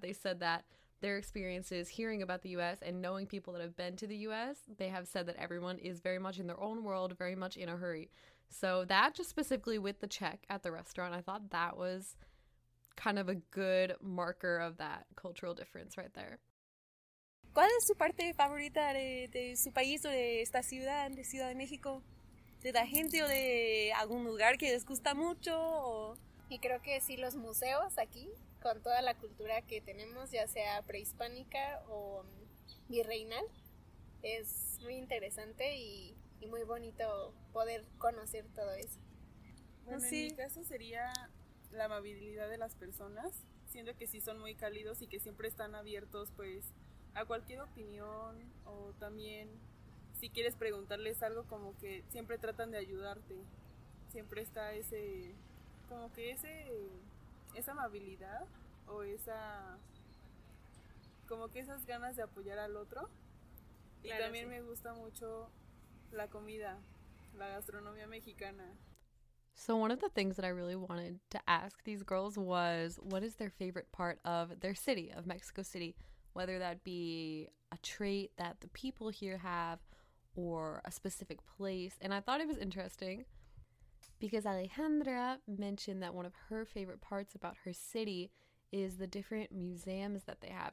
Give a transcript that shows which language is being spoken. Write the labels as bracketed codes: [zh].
[en] They said that their experiences hearing about the U.S. and knowing people that have been to the U.S., they have said that everyone is very much in their own world, very much in a hurry. So that, just specifically with the check at the restaurant, I thought that was kind of a good marker of that cultural difference right there. [es] ¿Cuál es su parte favorita de su país o de esta ciudad, de Ciudad de México? ¿De la gente o de algún lugar que les gusta mucho? O... Y creo que sí, los museos aquí, con toda la cultura que tenemos, ya sea prehispánica o virreinal, es muy interesante y muy bonito poder conocer todo eso. Bueno, sí. En mi caso sería la amabilidad de las personas, siendo que sí son muy cálidos y que siempre están abiertos pues a cualquier opinión o también... Si quieres preguntarles algo, como que siempre tratan de ayudarte. Siempre está ese, como que ese, esa amabilidad o esa, como que esas ganas de apoyar al otro. Y claro, también sí. Me gusta mucho la comida, la gastronomía mexicana. [en] So one of the things that I really wanted to ask these girls was, what is their favorite part of their city, of Mexico City? Whether that be a trait that the people here have, or a specific place. And I thought it was interesting because Alejandra mentioned that one of her favorite parts about her city is the different museums that they have.